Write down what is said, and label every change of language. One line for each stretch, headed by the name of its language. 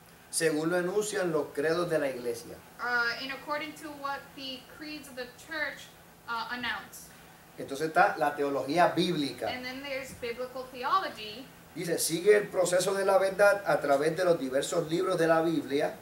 Spanish: Según lo enuncian los credos de la iglesia.
English: In according to what the creeds of the church announce.
Spanish: Entonces está la teología bíblica.
English: And then there's biblical theology.
Spanish: Dice, sigue el proceso de la verdad a través de los diversos libros de la Biblia.